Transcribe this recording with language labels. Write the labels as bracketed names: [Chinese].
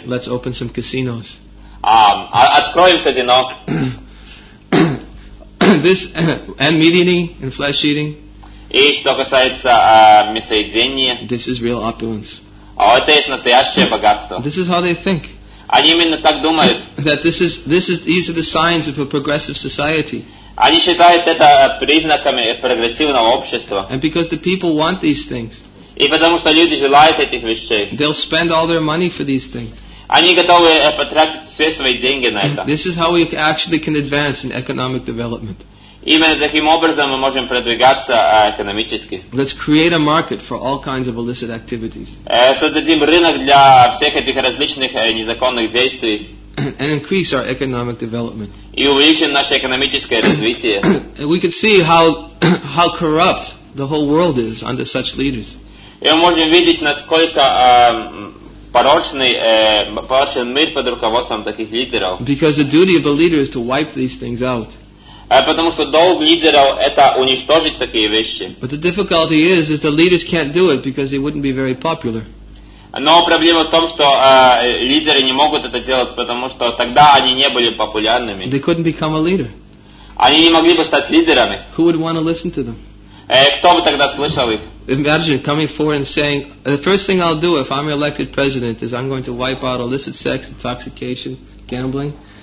[English] Let's open some casinos. [Russian] Откроем казино. [English] This and meat eating and flesh eating. [Russian] И что касается мясоедения. [English] This is real opulence. [Russian] Это есть настоящее богатство. [English] This is how they think. [Russian] Они именно так думают. [English] That these are the signs of a progressive society. [Russian] Они считают это признаками прогрессивного общества. [English] And because the people want these things. [Russian] И потому что люди желают этих вещей. [English] They'll spend all their money for these things. [Russian] Они готовы потратить все свои деньги на это. [English] This is how we actually can advance in economic development. [Russian] Именно таким образом мы можем продвигаться экономически. [English] Let's create a market for all kinds of illicit activities. [Russian] Создадим рынок для всех этих различных незаконных действий. [English] And increase our economic development. [Russian] И увеличим наше экономическое развитие. [English] We can see how corrupt the whole world is under such leaders. [Russian] И мы можем видеть, насколько порочен мир под руководством таких лидеров. [English] Because the duty of a leader is to wipe these things out. [Russian] Потому что долг лидеров – это уничтожить такие вещи. [English] But the difficulty is the leaders can't do it because they wouldn't be very popular. [Russian] Но проблема в том, что лидеры не могут это делать, потому что тогда они не были популярными. [English] They couldn't become a leader. [Russian] Они не могли бы стать лидерами. [English] Who would want to listen to them? [Russian] Кто бы тогда слышал их? [English] Imagine coming forward and saying, the first thing I'll do if I'm elected president is I'm going to wipe out illicit sex, intoxication, gambling,